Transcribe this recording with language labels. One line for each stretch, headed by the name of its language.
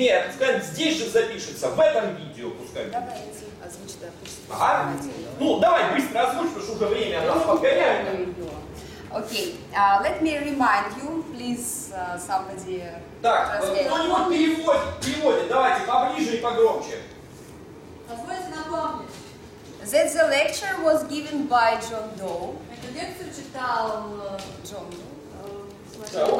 Russian: Не, пускай здесь же запишется, в этом видео пускай. Давай, озвучи, да, курсы. Ага. Ну, давай, быстро озвучь, потому что уже время нас подгоняет.
English: Окей, let me remind you, please, somebody...
Russian: Так, кто-нибудь переводит, давайте, поближе и погромче.
English: That the lecture was given by John Doe.
Russian: Эту лекцию читал Джон Доу.